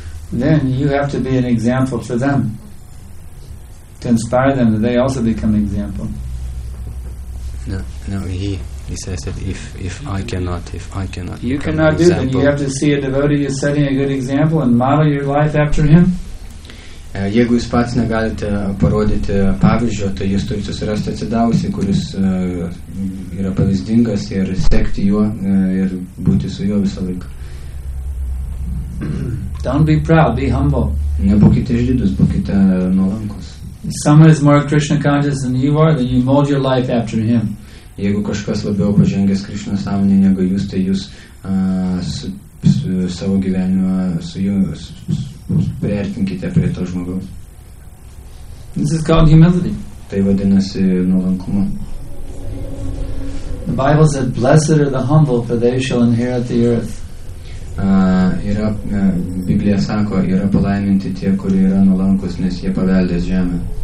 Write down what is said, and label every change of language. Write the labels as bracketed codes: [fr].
[en] Then you have to be an example for them, to inspire them that they also become example. No, he says that if I cannot you cannot do, then you have to see a devotee is setting a good example and model your life after him. [lt] Jeigu jūs pats negalite parodyti pavyzdžio, tai jūs turite susirasti atsidavusį, kuris yra pavyzdingas ir sekti juo ir būti su juo visą laiką. [en] Don't be proud, be humble. [lt] Nebūkite išdidus, būkite nuolankus. [en] If someone is more Krishna conscious than you are, then you mold your life after him. [lt] Jeigu kažkas labiau pažengęs Krishna sąmonė negu jūs, tai jūs su savo gyvenimą su jumis. Priartinkite prie to žmogaus. [en] This is called humility. [lt] Tai vadinasi nuolankumu. [en] The Bible said, blessed are the humble, for they shall inherit the earth. [lt] Biblija sako, yra palaiminti tie, kurie yra nuolankus, nes jie paveldės žemę.